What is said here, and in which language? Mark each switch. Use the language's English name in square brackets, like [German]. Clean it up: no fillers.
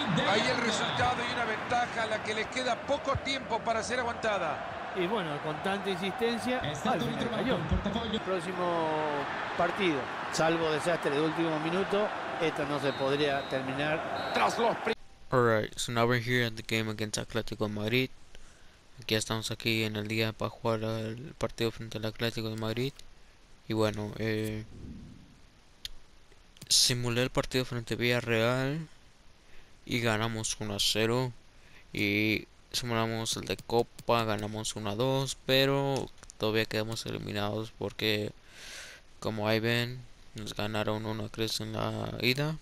[Spanish] Ahí el resultado y una ventaja a la que le queda poco tiempo para ser aguantada. Y bueno, con tanta insistencia, al final cayó. Próximo partido, salvo desastre de último minuto, esto no se podría terminar tras los [English] Alright, so now we're here at the game against Atlético de Madrid. [Spanish] Aquí estamos aquí en el día para jugar el partido frente al Atlético de Madrid. Y bueno, simulé el partido frente a Villarreal y ganamos 1-0. Y simulamos el de Copa, ganamos 1-2, pero todavía quedamos eliminados porque, como ahí ven, nos ganaron 1-3 en la ida.